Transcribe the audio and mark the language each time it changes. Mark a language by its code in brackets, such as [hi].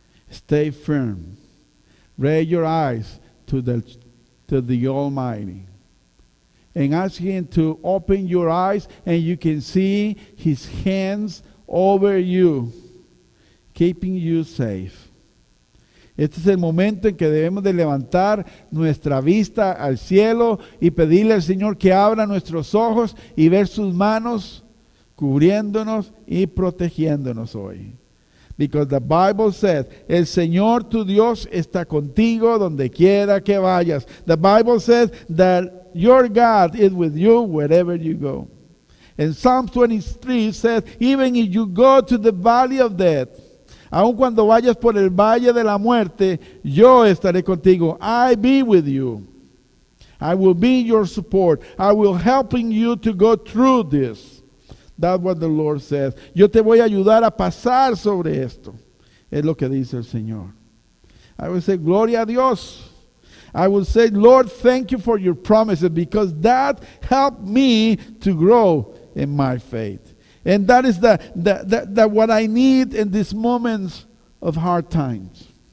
[en] Stay firm. Raise your eyes to the Almighty. And ask Him to open your eyes and you can see His hands over you, keeping you safe. [es] Este es el momento en que debemos de levantar nuestra vista al cielo y pedirle al Señor que abra nuestros ojos y ver sus manos cubriéndonos y protegiéndonos hoy. [en] Because the Bible says, [es] el Señor tu Dios está contigo donde quiera que vayas. [en] The Bible says that your God is with you wherever you go. And Psalm 23 says, even if you go to the valley of death, [es] aun cuando vayas por el valle de la muerte, yo estaré contigo. [en] I be with you. I will be your support. I will helping you to go through this. That's what the Lord says. [es] Yo te voy a ayudar a pasar sobre esto. Es lo que dice el Señor. [en] I will say, [es] gloria a Dios. [en] I will say, Lord, thank you for your promises, because that helped me to grow in my faith. And that is the what I need in these moments of hard times.